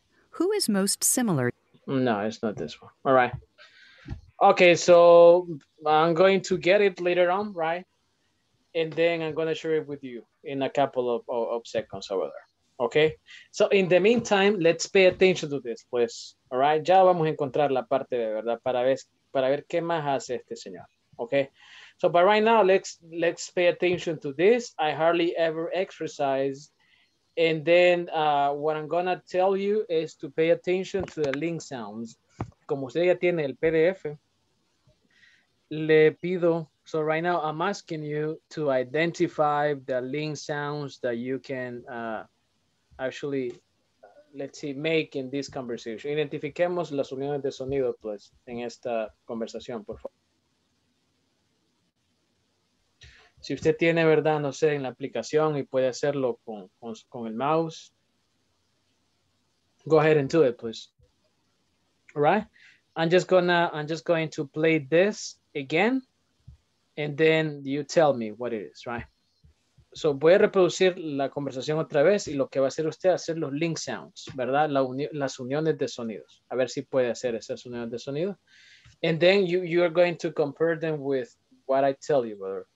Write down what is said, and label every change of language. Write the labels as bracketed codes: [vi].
[en] Who is most similar? No, it's not this one. All right. Okay, so I'm going to get it later on, right? And then I'm going to share it with you in a couple of seconds over there. Okay? So in the meantime, let's pay attention to this, please. All right? [es] Ya vamos a encontrar la parte de verdad para ver qué más hace este señor. [en] Okay? So but right now, let's pay attention to this. I hardly ever exercise. And then what I'm going to tell you is to pay attention to the link sounds. [es] Como usted ya tiene el PDF, le pido, [en] so right now I'm asking you to identify the link sounds that you can actually, let's see, make in this conversation. [es] Identifiquemos las uniones de sonido, pues, en esta conversación, por favor. Si usted tiene, verdad, no sé, en la aplicación y puede hacerlo con el mouse, [en] go ahead and do it, please. All right? I'm just going to play this again, and then you tell me what it is, right? So [es] voy a reproducir la conversación otra vez y lo que va a hacer usted es hacer los link sounds, ¿verdad? Las uniones de sonidos. A ver si puede hacer esas uniones de sonido. [en] And then you are going to compare them with what I tell you, brother.